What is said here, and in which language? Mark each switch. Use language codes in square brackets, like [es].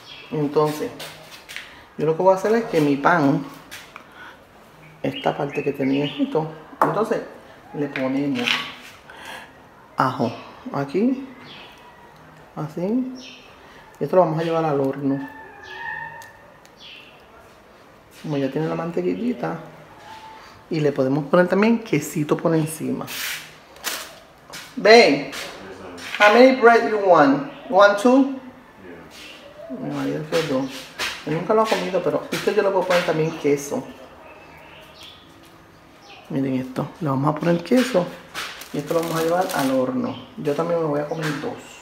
[es] Entonces, yo lo que voy a hacer es que mi pan, esta parte que tenía esto, entonces le ponemos ajo aquí, así, y esto lo vamos a llevar al horno. Como ya tiene la mantequillita, y le podemos poner también quesito por encima. [en] Babe, how many bread you want? Want 2? [es] Mi marido quiere 2. Yo nunca lo he comido, pero esto yo lo puedo poner también queso. Miren esto. Le vamos a poner queso. Y esto lo vamos a llevar al horno. Yo también me voy a comer 2.